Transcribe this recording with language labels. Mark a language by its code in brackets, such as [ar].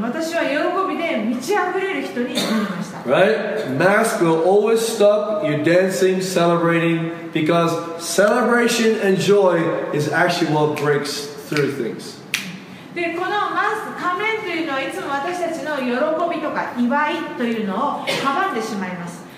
[ja] 私は喜びで満ち溢れる人になりました。 [en] Right? Mask will always stop you dancing, celebrating, because celebration and joy is actually what breaks through things. [ja] で、このマスク、仮面というのはいつも私たちの喜びとか祝いというのを阻んでしまいます。